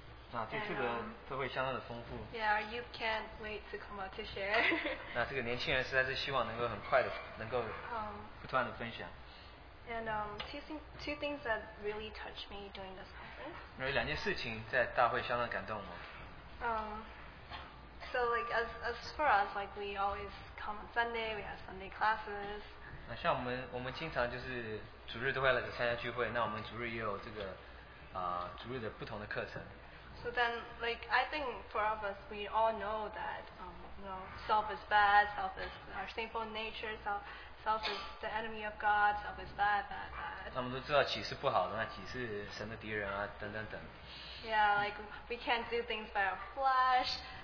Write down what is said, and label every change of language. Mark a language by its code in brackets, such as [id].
[zh] 那对这个都会相当的丰富。 [en] Yeah, you can't wait to come out to share. [zh] 那这个年轻人实在是希望能够很快的能够不断的分享。 [en] And two things that really touched me during this conference. [zh] 有两件事情在大会相当感动我。 [en] So like as for us, like we always come on Sunday, we have Sunday classes. [zh] 像我们经常就是主日都会来参加聚会，那我们主日也有这个主日的不同的课程。 [en] So then, like, I think for all of us, we all know that, self is bad, self is our sinful nature, self is the enemy of God, self is bad, bad, bad. [zh] 他们都知道己是不好的，那己是神的敌人啊，等等等。 [en] Yeah, like, we can't do things by our flesh.